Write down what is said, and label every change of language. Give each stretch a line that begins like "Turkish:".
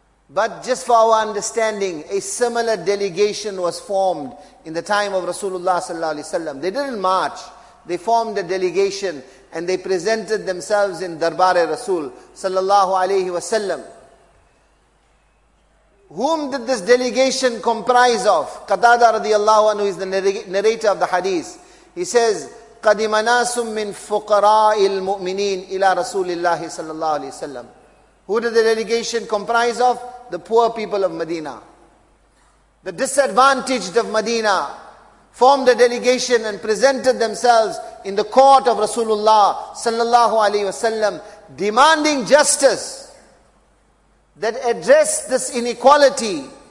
English: But just for our understanding, a similar delegation was formed in the time of Rasulullah sallallahu alayhi wasallam. They didn't march. They formed a delegation and they presented themselves in Darbar-e Rasul sallallahu alayhi wasallam. Whom did this delegation comprise of? Qatada radiyallahu anhu is the narrator of the hadith. He says,
Arabic: قَدِمَ نَاسٌ مِّن فُقَرَاءِ الْمُؤْمِنِينَ إِلَىٰ رَسُولِ اللَّهِ صَلَّى اللَّهُ عَلَيْهِ وَسَلَّمَ.
English: Who did the delegation comprise of? The poor people of Medina. The disadvantaged of Medina formed a delegation and presented themselves in the court of Rasulullah sallallahu alayhi wasallam, demanding justice that addressed this inequality.